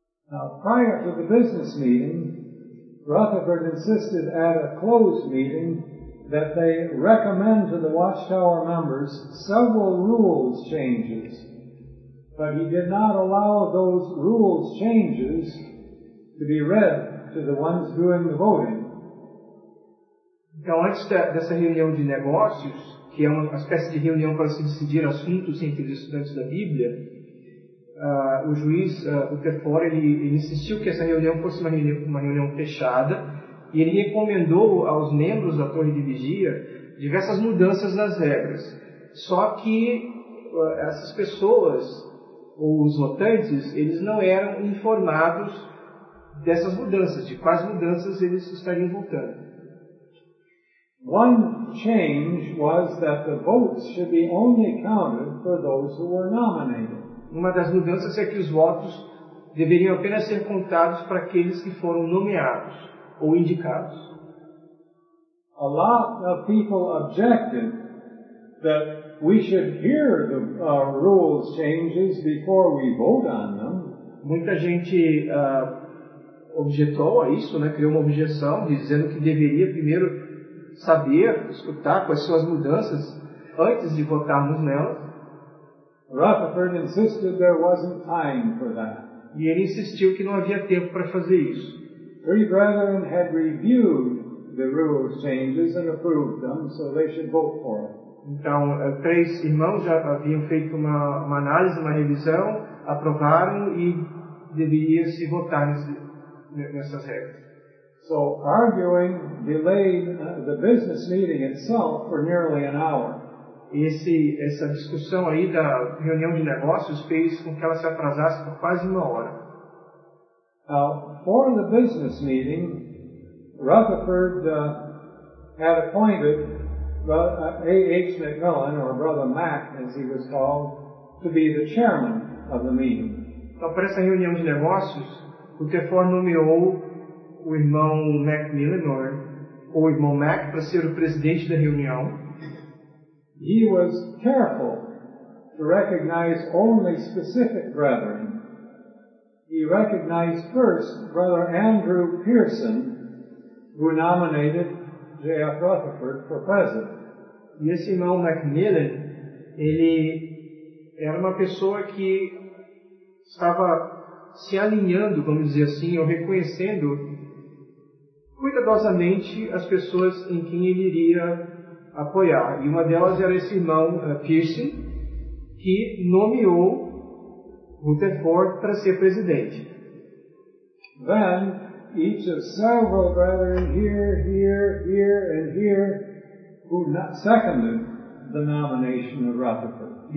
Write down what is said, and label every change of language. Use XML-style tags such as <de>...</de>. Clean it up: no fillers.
<en>Now, prior to the business meeting, Rutherford insisted at a closed meeting that they recommend to the Watchtower members several rules changes, but he did not allow those rules changes to be read to the ones doing the voting.</en> <pt>Então, antes dessa reunião de negócios, que é uma espécie de reunião para se decidir assuntos entre os estudantes da Bíblia, o juiz Rutherford, ele insistiu que essa reunião fosse uma reunião fechada, e ele recomendou aos membros da Torre de Vigia diversas mudanças nas regras. Só que essas pessoas, ou os votantes, eles não eram informados dessas mudanças, de quais mudanças eles estariam votando.</pt> <en>One change was that the votes should be only counted for those who were nominated.</en> <pt>Uma das mudanças é que os votos deveriam apenas ser contados para aqueles que foram nomeados ou indicados.</pt> <en>A lot of people objected that we should hear the rules changes before we vote on them.</en> <pt>Muita gente objetou a isso, né? Criou uma objeção dizendo que deveria primeiro saber, escutar quais são as mudanças antes de votarmos nelas.</pt> <en>Rutherford insisted there wasn't time for that.</en> <pt>E ele insistiu que não havia tempo para fazer isso.</pt> <en>Three brethren had reviewed the rules changes and approved them, so they should vote for it.</en> <pt>Então, três irmãos já haviam feito uma análise, uma revisão, aprovaram e deveria se votar nessas regras.</pt> <en>So, arguing delayed the business meeting itself for nearly an hour.</en> <pt>Essa discussão aí da reunião de negócios fez com que ela se atrasasse por quase uma hora.</pt> <en>Now, for the business meeting, Rutherford had appointed A.H. McMillan, or Brother Mac, as he was called, to be the chairman of the meeting.</en> <pt>Então, para essa reunião de negócios, Rutherford nomeou o irmão Macmillan, ou o irmão Mac, para ser o presidente da reunião.</pt> <en>He was careful to recognize only specific brethren. He recognized first Brother Andrew Pearson, who nominated J.F. Rutherford for president.</en> <pt>E esse irmão Macmillan, ele era uma pessoa que estava se alinhando, vamos dizer assim, ou reconhecendo cuidadosamente as pessoas em quem ele iria apoiar. E uma delas era esse irmão Pearson, que nomeou Rutherford para ser presidente.</pt> <en>Then, each of several brethren here, here, here, and here, who seconded the nomination of Rutherford.</en>